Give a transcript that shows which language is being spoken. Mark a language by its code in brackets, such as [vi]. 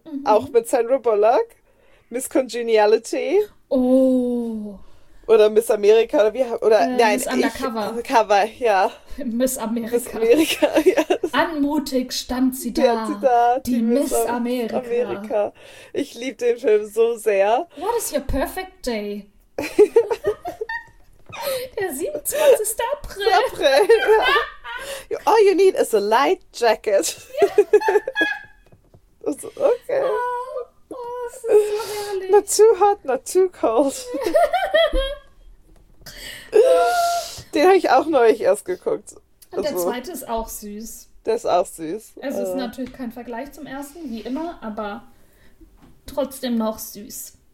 [de] Mhm. Auch mit Sandra Bullock, Miss Congeniality. Oh. Oder Miss America, oder wie? Oder, nein, Miss Undercover. Cover, ja. Miss America. [en] Miss America, yes. [de] Anmutig stand sie da. Die Miss America. America. Ich liebe den Film so sehr. [en] What is your perfect day? [de] Der 27. April. April, ja. [en] All you need is a light jacket. [de] Ja. Okay. Oh, oh, das ist so herrlich. [en] Not too hot, not too cold. [de] Den habe ich auch neulich erst geguckt. Und der zweite ist auch süß. Der ist auch süß. Es ist natürlich kein Vergleich zum ersten, wie immer, aber trotzdem noch süß.